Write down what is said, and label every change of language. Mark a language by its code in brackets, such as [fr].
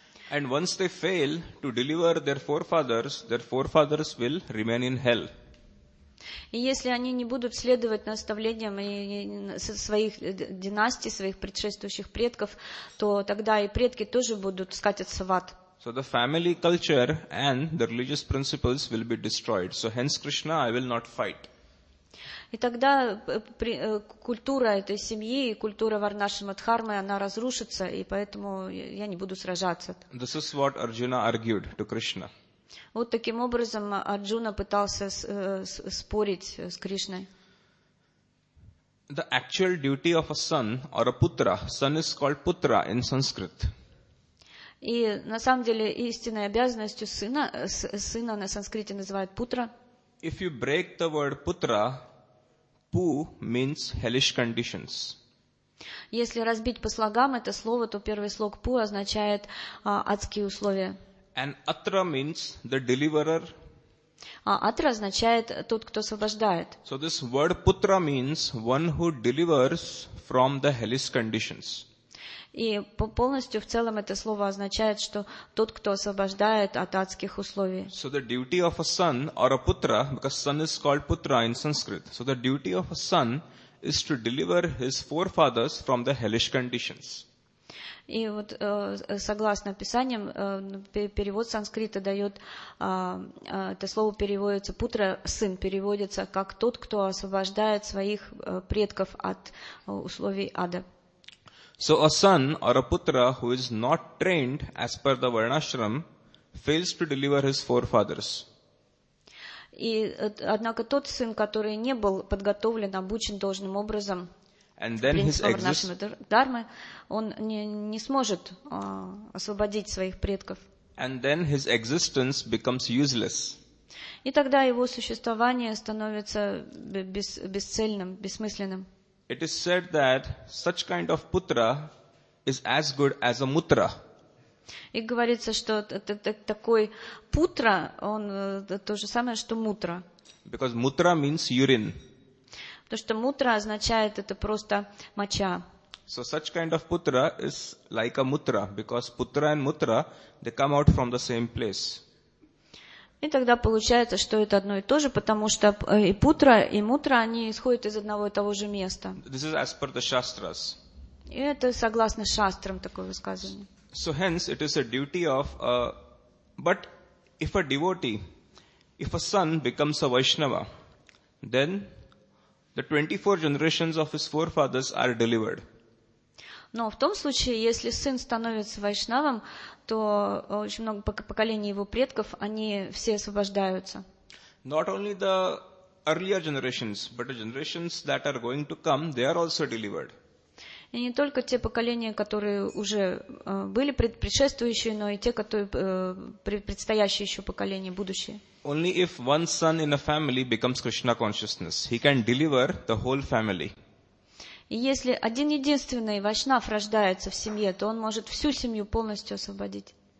[en] And once they fail to deliver their forefathers will remain in hell. [ru] И если они не будут следовать наставлениям своих династий, своих предшествующих предков, то тогда и предки тоже будут скатиться в ад. [en] So the family culture and the religious principles will be destroyed. So hence Krishna, I will not fight. [ru] И тогда культура этой семьи, культура Варнашрама Дхармы, она разрушится, и поэтому я не буду сражаться. [en] This is what Arjuna argued to Krishna. [ru] Вот таким образом Арджуна пытался спорить с Кришной. [en] The actual duty of a son or a putra, son is called putra in Sanskrit. [ru] И на самом деле истинной обязанностью сына, сына на санскрите называют путра. [en] If you break the word putra, pu means hellish conditions. [ru] Если разбить по слогам это слово, то первый слог пу означает адские условия. [en] And atra means the deliverer. [ru] А атра означает тот, кто освобождает. [en] So this word putra means one who delivers from the hellish conditions. [ru] И полностью в целом это слово означает, что тот, кто освобождает от адских условий. [en] So the duty of a son or a putra, because son is called putra in Sanskrit. So the duty of a son is to deliver his forefathers from the hellish conditions. [ru] И вот согласно писаниям, перевод санскрита дает, это слово переводится, путра, сын, переводится как тот, кто освобождает своих предков от условий ада. [en] So a son or a putra who is not trained as per the Varnashram fails to deliver his forefathers. [ru] И однако тот сын, который не был подготовлен, обучен должным образом, он не сможет освободить своих предков. [en] And then his existence becomes useless. [ru] И тогда его существование становится бесцельным, бессмысленным. [en] It is said that such kind of putra is as good as a mutra. [ru] И говорится, что такой путра, он то же самое, что мутра. [en] Because mutra means urine. [ru] Потому что мутра означает это просто моча. [en] So such kind of putra is like a mutra, because putra and mutra, they come out from the same place. [ru] И тогда получается, что это одно и то же, потому что и путра, и мутра, они исходят из одного и того же места. [en] This is as per the shastras. [ru] И это согласно шастрам такое высказывание. [en] So hence it is a duty of, but if a devotee, if a son becomes a Vaishnava, then the 24 generations of his forefathers are delivered. [ru] Но в том случае, если сын становится вайшнавом, то очень много поколений его предков, они все освобождаются. [en] not only the earlier generations, but the generations that are going to come, they are also delivered. [ru] И не только те поколения, которые уже были предшествующие, но и те, которые предстоящие еще поколения, будущие. [en] Only if one son in a family becomes Krishna consciousness, he can deliver the whole family. [ru] И если один единственный вайшнав рождается в семье, то он может всю семью полностью освободить.